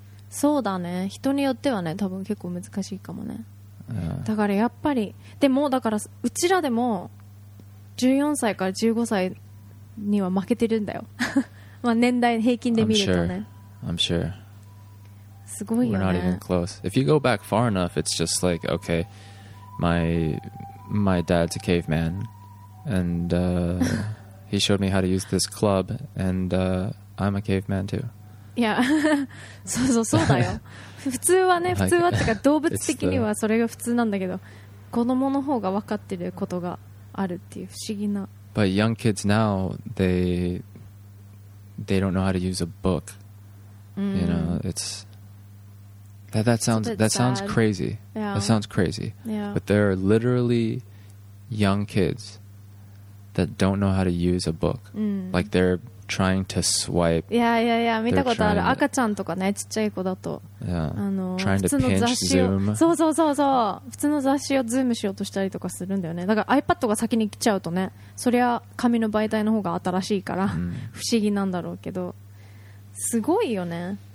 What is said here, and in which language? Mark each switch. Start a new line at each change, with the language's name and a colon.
Japanese: そうだね人によってはね多分結構難しいかもね
English: Yeah.
Japanese: だからやっぱりでもだからうちらでも14歳から15歳には負けてるんだよまあ年代平均で見るとね
English: I'm sure
Japanese: すごいよね
English: We're not even close If you go back far enough it's just like okay my dad's a caveman and he showed me how to use this club and I'm a caveman too.
Japanese: Yeah. そうそうそうだよ。普通はね、普通はってか動物的にはそれが普通なんだけど、子供の方が分かってることがあるっていう不思議な。
English: But young kids now, they don't know how to use a book. You know, it's that sounds crazy. Yeah. That sounds crazy. Yeah. But there are literally young kids that don't know how to use a book. Like they're trying to swipe.
Japanese: Yeah, yeah, yeah. 見たことある。赤ちゃんとかね、ちっちゃい子だと、
English: trying to pinch zoom.
Japanese: そうそうそうそう。普通の雑誌をズームしようとしたりとかするんだよね。だから iPad が先に来ちゃうとね、そりゃ紙の媒体の方が新しいから不思議なんだろうけど、すごいよね。